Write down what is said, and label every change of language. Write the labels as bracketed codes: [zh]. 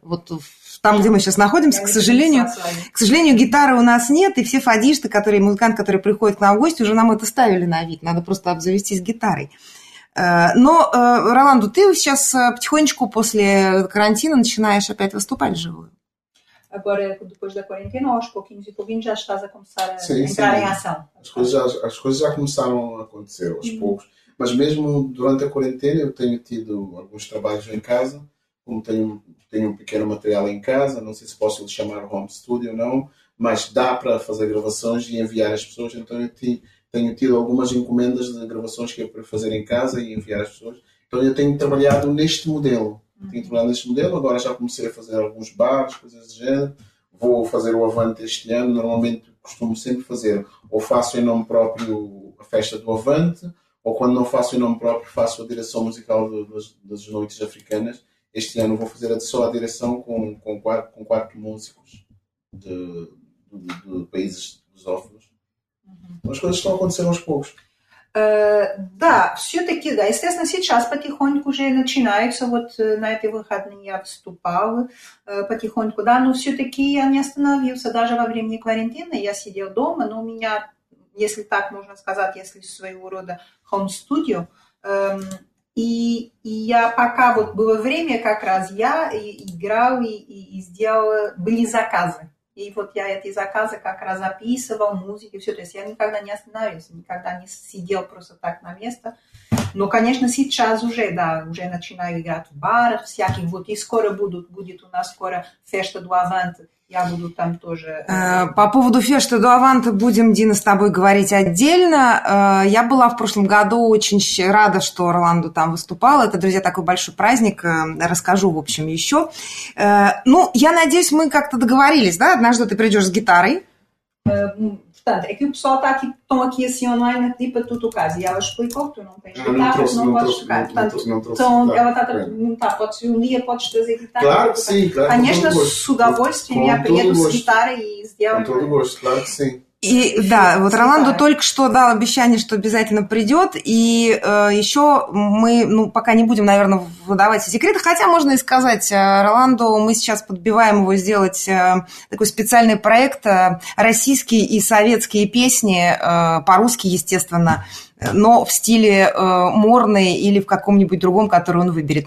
[ru] Вот там, где мы сейчас находимся, к сожалению, гитары у нас нет. И все фадишты, музыканты, которые приходят к нам в гости, уже нам это ставили на вид. Надо просто обзавестись гитарой. Но, Роланду, ты сейчас потихонечку после карантина начинаешь опять выступать вживую. [pt] Agora, depois da quarentena, aos pouquinhos e pouquinhos, já estás a começar a entrar em ação. As coisas já começaram a acontecer, aos poucos. Mas mesmo durante a quarentena, eu tenho tido alguns trabalhos em casa, como tenho um pequeno material em casa, não sei se posso lhe chamar home studio ou não, mas dá para fazer gravações e enviar às pessoas. Então, eu tenho tido algumas encomendas de gravações que é para fazer em casa e enviar às pessoas. Então, eu tenho trabalhado neste modelo. Tenho trabalhado neste modelo, agora já comecei a fazer alguns bares, coisas do género. Vou fazer o Avante este ano, normalmente costumo sempre fazer. Ou faço em nome próprio a festa do Avante, ou quando não faço em nome próprio faço a direção musical das noites africanas. Este ano vou fazer só a direção com quatro músicos de países lusófonos. Então as coisas estão a acontecer aos poucos. [ru] Да, все-таки, да, естественно, сейчас потихоньку уже начинается, вот на эти выходные я вступал потихоньку, да, но все-таки я не остановился, даже во время карантина я сидел дома, но у меня, если так можно сказать, если своего рода home studio, и я пока вот было время, как раз я играл и сделал, были заказы. И вот я эти заказы как раз записывал, музыки, все. То есть я никогда не останавливался, никогда не сидел просто так на место. Но, конечно, сейчас уже, да, уже начинаю играть в барах всяких. Вот и скоро будут, будет у нас скоро Феста ду Авант. Я буду там тоже. По поводу Феста ду Авант будем, Дина, с тобой говорить отдельно. Я была в прошлом году очень рада, что Орландо там выступал. Это, друзья, такой большой праздник. Расскажу, в общем, еще. Ну, я надеюсь, мы как-то договорились, да? Однажды ты придешь с гитарой. [pt] Portanto, é que o pessoal está aqui, estão aqui assim online, tipo, tu tocas. E ela explicou que tu não tens guitarra, não podes tocar. Portanto, pode ser um dia, podes trazer guitarra. Claro que sim, claro. [ru] Конечно, с удовольствием я приеду с гитарой и сделаю. [pt] Com todo gosto, claro que sim. [ru] И да, вот Роланду только что дал обещание, что обязательно придет, и еще мы, ну, пока не будем, наверное, выдавать секреты, хотя можно и сказать, Роланду, мы сейчас подбиваем его сделать такой специальный проект «Российские и советские песни», по-русски, естественно, но в стиле Морны или в каком-нибудь другом, который он выберет.